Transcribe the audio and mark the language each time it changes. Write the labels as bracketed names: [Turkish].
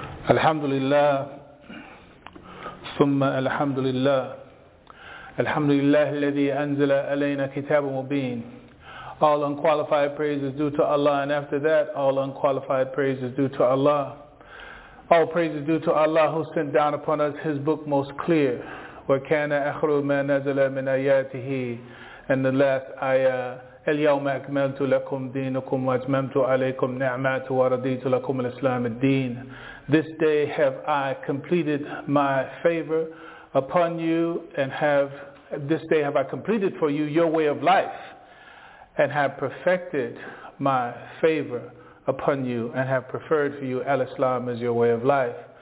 [Arabic] الحمد لله ثم الحمد لله الحمد لله الذي أنزل علينا كتاب مبين. [English] All unqualified praise is due to Allah, and after that all unqualified praise is due to Allah. All praise is due to Allah who sent down upon us His book most clear. [Arabic] وَكَانَ أَخْرُ مَا نَزَلَ مِنْ آيَاتِهِ. [English] And the last ayah, [Arabic] الْيَوْمَ أَكْمَلْتُ لَكُمْ دِينُكُمْ وَأَتْمَمْتُ عَلَيْكُمْ نِعْمَتِي وَرَضِيتُ لَكُمُ الْإِسْلَامَ الدِّينَ. [English] This day have I completed my favor upon you, and this day have I completed for you your way of life, and have perfected my favor upon you, and have preferred for you al-Islam as your way of life.